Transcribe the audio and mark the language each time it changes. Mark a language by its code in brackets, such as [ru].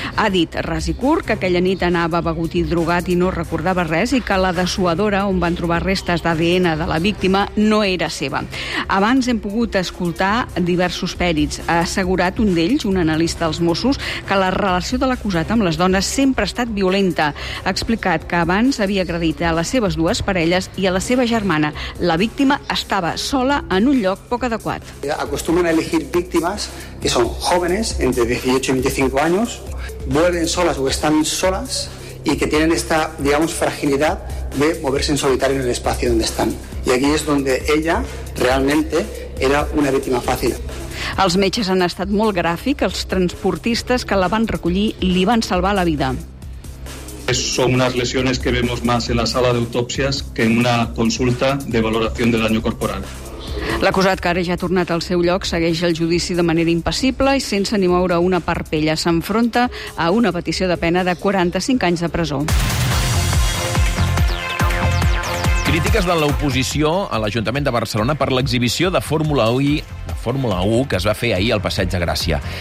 [ca] Ha dit, ras i curt, que aquella nit anava begut i drogat i no recordava res i que la dessuadora on van trobar restes d'ADN de la víctima no era seva. Abans hem pogut escoltar diversos pèrits. Ha assegurat un d'ells, un analista dels Mossos, que la relació de l'acusat amb les dones sempre ha estat violenta. Ha explicat que abans havia agredit a les seves dues parelles i a la seva germana. La víctima estava sola en un lloc poc adequat. [es] Acostumen a elegir víctimas que son jóvenes entre 18 y 25 años, vuelven solas o están solas y que tienen esta, digamos, fragilidad de moverse en solitario en el espacio donde están. Y aquí es donde ella realmente era una víctima fácil. [ca] Els metges han estat molt gràfics, els transportistes que la van recollir li van salvar la vida. [es] Son unas lesiones que vemos más en la sala de autopsias que en una consulta de valoración del daño corporal. [ca] L'acusat, que ara ja ha tornat al seu lloc, segueix el judici de manera impassible i sense ni moure una parpella. S'enfronta a una petició de pena de 45 anys de presó. Crítiques de l'oposició a l'Ajuntament de Barcelona per l'exhibició de Fórmula 1 que es va fer ahir al Passeig de Gràcia.